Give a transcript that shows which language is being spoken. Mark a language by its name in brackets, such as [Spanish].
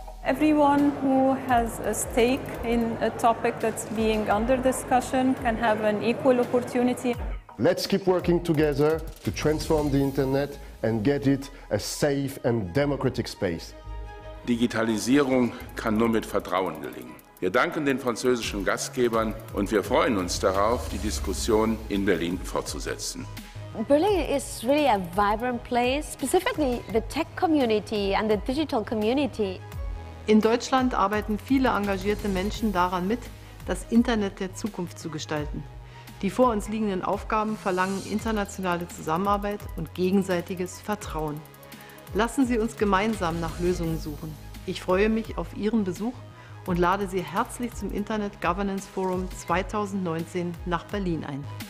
[English] Everyone who has a stake in a topic that's being under discussion can have an equal opportunity. Let's keep working together to transform the internet and get it a safe and democratic space. [German] Digitalisierung kann nur mit Vertrauen gelingen. Wir danken den französischen Gastgebern und wir freuen uns darauf, die Diskussion in Berlin fortzusetzen. [English] Berlin is really a vibrant place, specifically the tech community and the digital community. [German] In Deutschland arbeiten viele engagierte Menschen daran mit, das Internet der Zukunft zu gestalten. Die vor uns liegenden Aufgaben verlangen internationale Zusammenarbeit und gegenseitiges Vertrauen. Lassen Sie uns gemeinsam nach Lösungen suchen. Ich freue mich auf Ihren Besuch und lade Sie herzlich zum Internet Governance Forum 2019 nach Berlin ein.